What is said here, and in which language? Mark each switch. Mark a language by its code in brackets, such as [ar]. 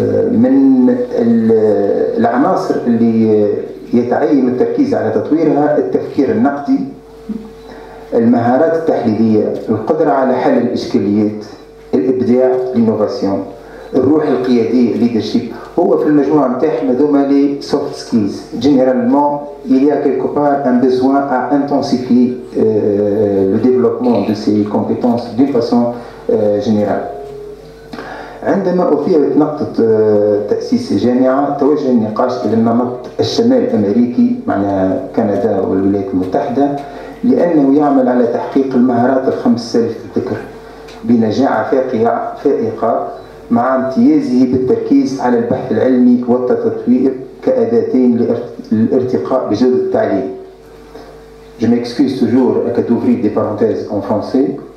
[ar] من العناصر اللي يتعين التركيز على تطويرها التفكير النقدي، المهارات التحليلية، القدرة على حل الإشكاليات، الإبداع، الإنوفاسيون، الروح القيادية، leadership. هو في المجموعة نتاعنا ذوما لي soft skills. [fr] Généralement, il y a quelque part un besoin à intensifier le développement de ces compétences d'une façon générale. [ar] عندما أثيرت نقطة تأسيس الجامعة، توجه النقاش إلى النمط الشمال الأمريكي، معناها كندا والولايات المتحدة، لأنه يعمل على تحقيق المهارات الخمس سالفة الذكر بنجاعة فائقة، مع امتيازه بالتركيز على البحث العلمي والتطوير كأداتين للارتقاء بجودة التعليم. [fr] Je m'excuse toujours que d'ouvrir des parenthèses en français.